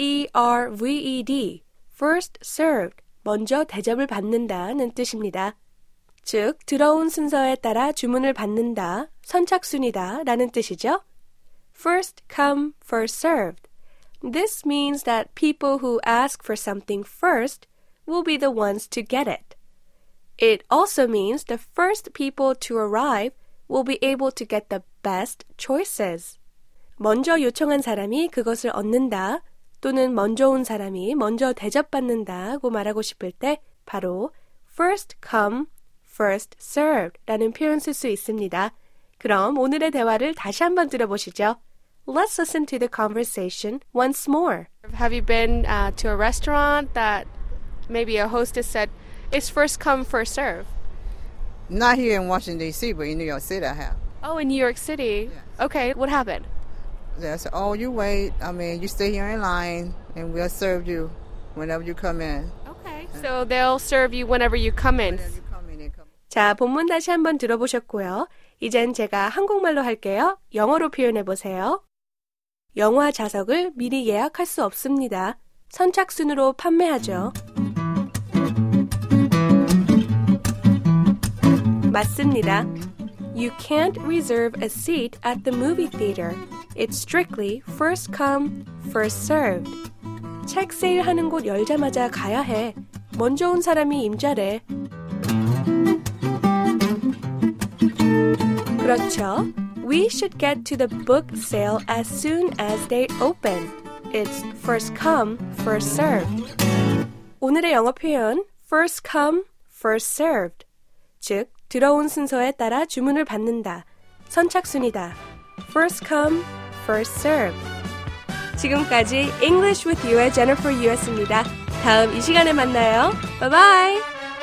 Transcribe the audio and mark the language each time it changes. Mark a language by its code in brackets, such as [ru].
[en] S-E-R-V-E-D, first served, [ko] 먼저 대접을 받는다는 뜻입니다. 즉, 들어온 순서에 따라 주문을 받는다, 선착순이다 라는 뜻이죠. [en] First come, first served. This means that people who ask for something first will be the ones to get it. It also means the first people to arrive will be able to get the best choices. [ko] 먼저 요청한 사람이 그것을 얻는다, 또는 먼저 온 사람이 먼저 대접받는다고 말하고 싶을 때 바로 [en] first come, first served [ko] 라는 표현 쓸 수 있습니다. 그럼 오늘의 대화를 다시 한번 들어보시죠. [en] Let's listen to the conversation once more. Have you been to a restaurant that maybe a hostess said it's first come, first serve? Not here in Washington, D.C., but in New York City I have. Oh, in New York City. Yes. Okay, what happened? They said, oh, you wait. I mean, you stay here in line, and we'll serve you whenever you come in. Okay, so they'll serve you whenever you come in. [ko] 자, 본문 다시 한번 들어보셨고요. 이젠 제가 한국말로 할게요. 영어로 표현해 보세요. 영화 좌석을 미리 예약할 수 없습니다. 선착순으로 판매하죠. 맞습니다. [en] You can't reserve a seat at the movie theater. It's strictly first come, first served. [ko] 책 세일하는 곳 열자마자 가야 해. 먼저 온 사람이 임자래. 그렇죠. [en] We should get to the book sale as soon as they open. It's first come, first served. [ko] 오늘의 영어 표현, [en] first come, first served. [ko] 즉, 들어온 순서에 따라 주문을 받는다. 선착순이다. [en] First come, first served. [ko] 지금까지 English with You의 Jennifer U였습니다. 다음 이 시간에 만나요. [en] Bye-bye!